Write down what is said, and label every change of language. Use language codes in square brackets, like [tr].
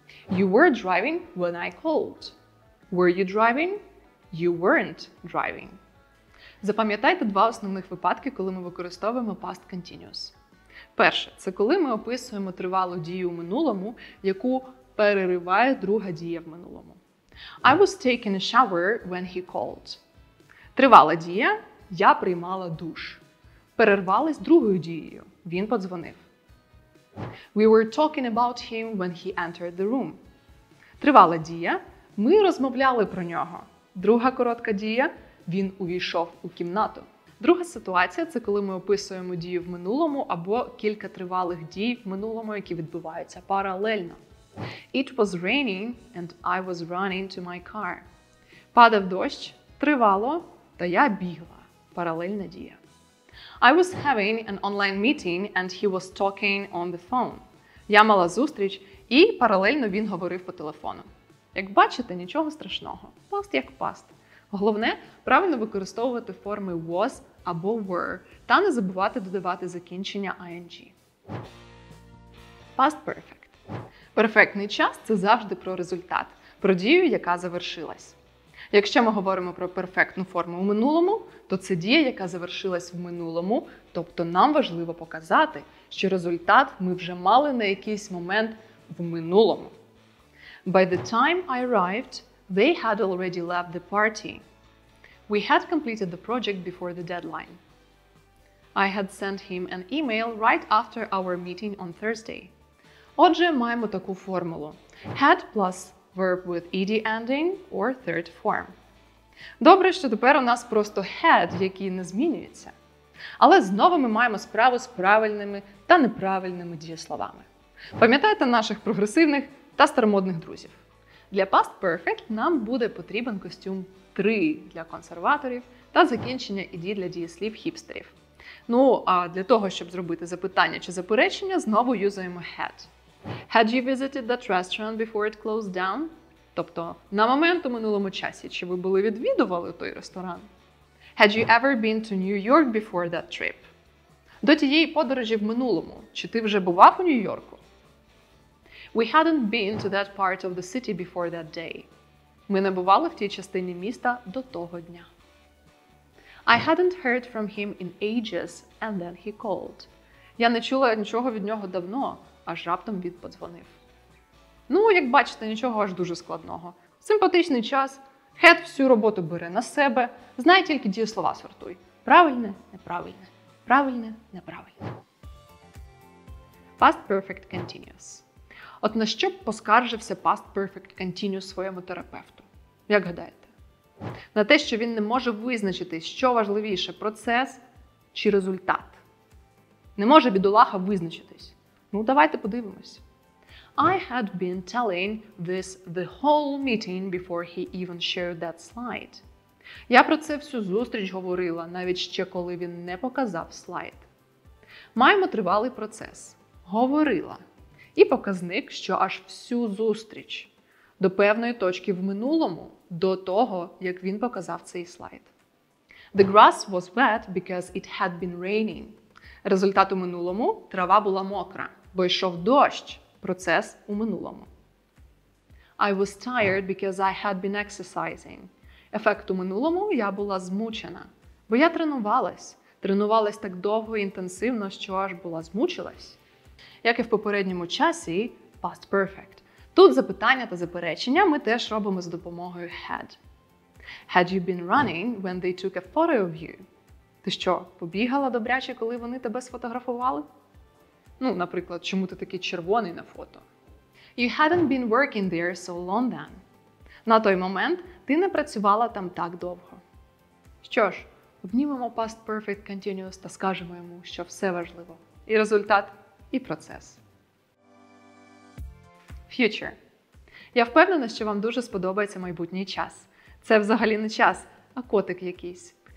[en] You were driving when I called. Were you driving? You weren't driving. [uk] Запам'ятайте два основних випадки, коли ми використовуємо past continuous. Перше – це коли ми описуємо тривалу дію у минулому, яку перериває друга дія в минулому. [en] I was taking a shower when he called. [uk] Тривала дія – я приймала душ. Перервалась другою дією – він подзвонив. [en] We were talking about him when he entered the room. [uk] Тривала дія – ми розмовляли про нього. Друга коротка дія – він увійшов у кімнату. Друга ситуація – це коли ми описуємо дію в минулому або кілька тривалих дій в минулому, які відбуваються паралельно. [en] It was raining and I was running to my car. [uk] Падав дощ, тривало, та я бігла. Паралельна дія. [en] I was having an online meeting and he was talking on the phone. [uk] Я мала зустріч і паралельно він говорив по телефону. Як бачите, нічого страшного. Past як past. Головне – правильно використовувати форми was або were та не забувати додавати закінчення ing. [en] Past perfect. [uk] Перфектний час – це завжди про результат, про дію, яка завершилась. Якщо ми говоримо про перфектну форму у минулому, то це дія, яка завершилась в минулому, тобто нам важливо показати, що результат ми вже мали на якийсь момент в минулому. [en] By the time I arrived, they had already left the party. We had completed the project before the deadline. I had sent him an email right after our meeting on Thursday. [uk] Отже, маємо таку формулу. [en] Had plus verb with ed ending or third form. [uk] Добре, що тепер у нас просто had, який не змінюється. Але знову ми маємо справу з правильними та неправильними дієсловами. Пам'ятаєте наших прогресивних та старомодних друзів? Для past perfect нам буде потрібен костюм 3 для консерваторів та закінчення ed для дієслів хіпстерів. Ну, а для того, щоб зробити запитання чи заперечення, знову юзаємо had. [en] Had you visited that restaurant before it closed down? [uk] Тобто, на момент у минулому часі, чи ви були відвідували той ресторан? [en] Had you ever been to New York before that trip? [uk] До тієї подорожі в минулому, чи ти вже бував у Нью-Йорку? [en] We hadn't been to that part of the city before that day. [uk] Ми не бували в тій частині міста до того дня. [en] I hadn't heard from him in ages, and then he called. [uk] Я не чула нічого від нього давно, аж раптом він подзвонив. Ну, як бачите, нічого аж дуже складного. Симпатичний час, хед всю роботу бере на себе, знай тільки дієслова сортуй. Правильне, неправильне. Правильне, неправильне. Past perfect continuous. От на що б поскаржився past perfect continuous своєму терапевту? Як гадаєте? На те, що він не може визначити, що важливіше – процес чи результат. Не може бідолаха визначитись. Ну, давайте подивимось. [en] I had been telling this the whole meeting before he even shared that slide. [uk] Я про це всю зустріч говорила, навіть ще коли він не показав слайд. Маємо тривалий процес. Говорила. І показник, що аж всю зустріч. До певної точки в минулому, до того, як він показав цей слайд. [en] The grass was wet because it had been raining. [uk] Результат у минулому – трава була мокра, бо йшов дощ. Процес у минулому. [en] I was tired because I had been exercising. [uk] Ефект у минулому – я була змучена, бо я тренувалась. Тренувалась так довго і інтенсивно, що аж була змучилась. Як і в попередньому часі – past perfect. Тут запитання та заперечення ми теж робимо з допомогою had. [en] Had you been running when they took a photo of you? [uk] Ти що, побігала добряче, коли вони тебе сфотографували? Ну, наприклад, чому ти такий червоний на фото? [en] You hadn't been working there so long then. [uk] На той момент ти не працювала там так довго. Що ж, обнімемо past perfect continuous та скажемо йому, що все важливо. І результат, і процес. [en] Future. [uk] Я впевнена, що вам дуже сподобається майбутній час. Це взагалі не час, а котик якийсь.